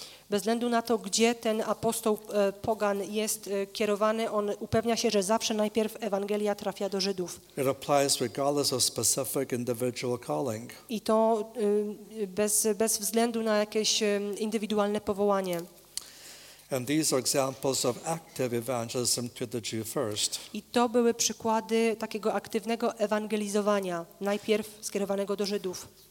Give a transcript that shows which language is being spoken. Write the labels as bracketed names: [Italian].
[Polish] Bez względu na to, gdzie ten apostoł pogan jest kierowany, on upewnia się, że zawsze najpierw Ewangelia trafia do Żydów. [English] It applies regardless of specific individual calling. [Polish] I to bez względu na jakieś indywidualne powołanie. [English] And these are examples of active evangelism to the Jew first. [Polish] I to były przykłady takiego aktywnego ewangelizowania, najpierw skierowanego do Żydów.